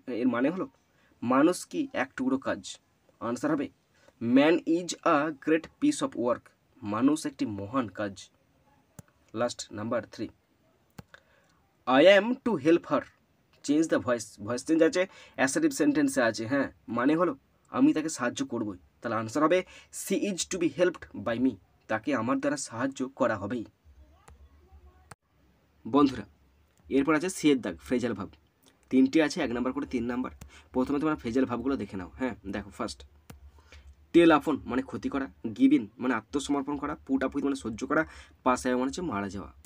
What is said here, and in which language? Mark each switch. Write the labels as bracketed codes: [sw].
[bn] এর মানে হলো মানুষ কি এক টুকরো কাজ? আনসার হবে [en] man is a great piece of work, [bn] মানুষ একটি মহান কাজ। Last number three, [en] I am to help her. Change the voice. Voice change আছে, assertive sentence আছে, [bn] হ্যাঁ, মানে হলো আমি তাকে সাহায্য করবই। তাহলে আনসার হবে [en] she is to be helped by me. [bn] তাকে আমার দ্বারা সাহায্য করা হবেই। বন্ধুরা, এরপর আছে সি এর দাগ, ফ্রেজাল ভাব। তিনটি আছে, এক নাম্বার করে তিন নাম্বার। প্রথমে তোমরা ফ্রেজাল ভাবগুলো দেখে নাও। হ্যাঁ, দেখো ফার্স্ট, টেল আপন মানে ক্ষতি করা, গিভিন মানে আত্মসমর্পণ করা, পুট আপ মানে সহ্য করা, পাস আয় মানে হচ্ছে মারা যাওয়া।